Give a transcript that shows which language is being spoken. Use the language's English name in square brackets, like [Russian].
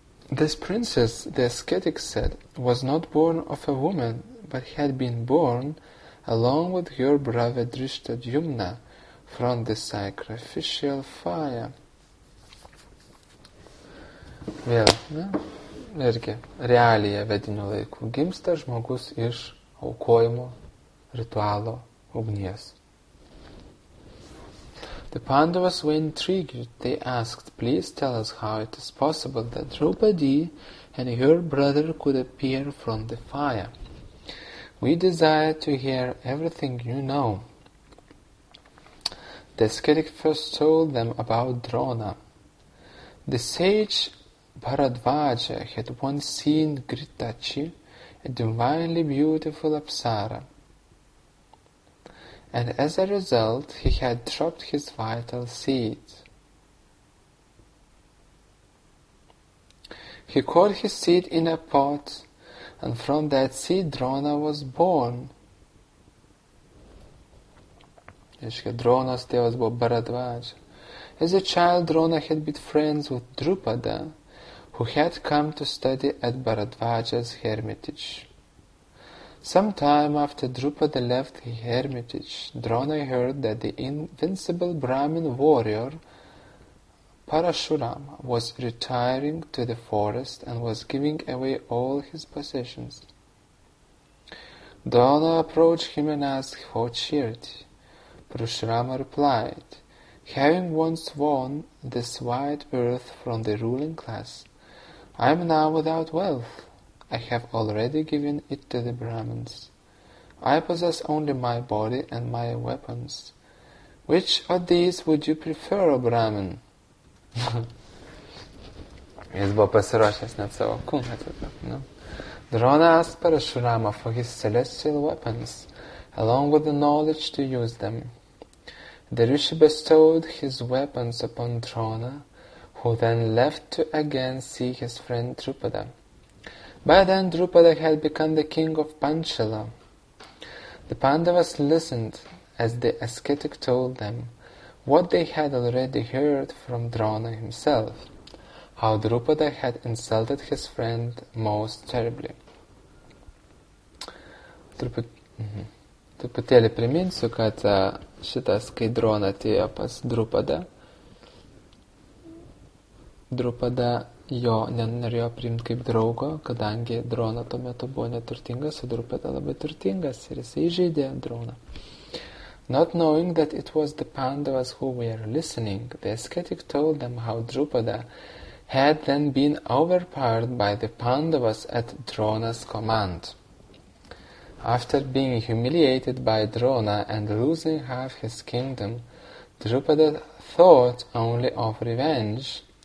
[English] This princess, the ascetic said, was not born of a woman, but had been born along with her brother Drishtadyumna from the sacrificial fire. [Lithuanian] Vėl, ne? Irgi, realija vedinių laikų. Gimsta žmogus iš aukojimo ritualo ugnies. [English] The Pandavas were intrigued. They asked, please tell us how it is possible that Draupadi and her brother could appear from the fire. We desire to hear everything you know. The ascetic first told them about Drona. The sage Bharadvaja had once seen Gritachi, a divinely beautiful Apsara. And as a result, he had dropped his vital seed. He caught his seed in a pot, and from that seed Drona was born. [Lithuanian] Dronas tėvas buvo Bharadvaja. [English] As a child, Drona had been friends with Drupada, who had come to study at Bharadvaja's hermitage. Some time after Drupada left the hermitage, Drona heard that the invincible Brahmin warrior Parashuram was retiring to the forest and was giving away all his possessions. Drona approached him and asked for charity. Parashurama replied, having once won this wide earth from the ruling class, I am now without wealth. I have already given it to the Brahmins. I possess only my body and my weapons. Which of these would you prefer, O Brahmin? [Lithuanian] Jis buvo pasiruošęs net savo kūną. No? [English] Drona asked Parashurama for his celestial weapons, along with the knowledge to use them. The Rishi bestowed his weapons upon Drona, who then left to again see his friend Drupada. By then, Drupada had become the king of Panchala. The Pandavas listened as the ascetic told them what they had already heard from Drona himself, how Drupada had insulted his friend most terribly. [Lithuanian] Truputėlį priminsiu, kad šitas, kai Drona atėjo pas Drupada, Drupada jo nenorėjo priimti kaip draugo, kadangi Drona tuo metu buvo neturtingas, o Drupada labai turtingas ir jis įžeidė Droną. [English] Not knowing that it was the Pandavas who were listening, the ascetic told them how Drupada had then been overpowered by the Pandavas at Drona's command. After being humiliated by Drona and losing half his kingdom, Drupada thought only of revenge.